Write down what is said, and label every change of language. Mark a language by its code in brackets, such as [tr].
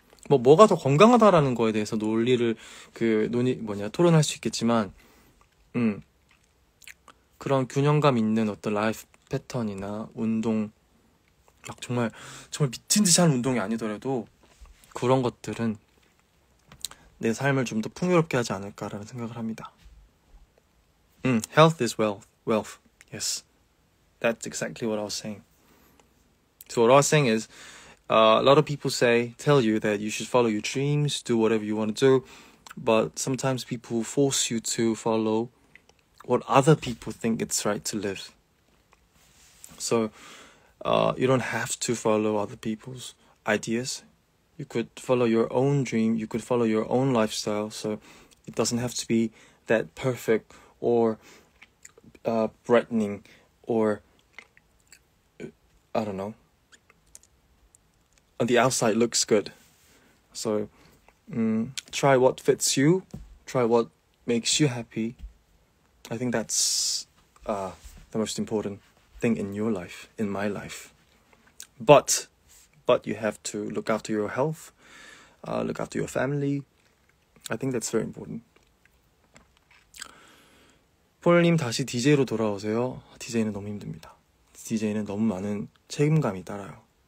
[ko] 뭐가 더 건강하다라는 거에 대해서 토론할 수 있겠지만, 그런 균형감 있는 어떤 라이프 패턴이나 운동, 막 정말, 정말 미친 듯이 하는 운동이 아니더라도, 그런 것들은 내 삶을 좀더 풍요롭게 하지 않을까라는 생각을 합니다. [en] Health is wealth. Yes. That's exactly what I was saying. So what I was saying is, a lot of people tell you that you should follow your dreams, do whatever you want to do, but sometimes people force you to follow what other people think it's right to live. So, you don't have to follow other people's ideas. You could follow your own dream, you could follow your own lifestyle, so it doesn't have to be that perfect or threatening or, I don't know. On the outside looks good. So, try what fits you, try what makes you happy. I think that's the most important thing in your life, in my life. But you have to look after your health, look after your family. I think that's very important. [ko] 폴님, 다시 DJ로 돌아오세요. DJ는 너무 힘듭니다. DJ는 너무 많은 책임감이 따라요.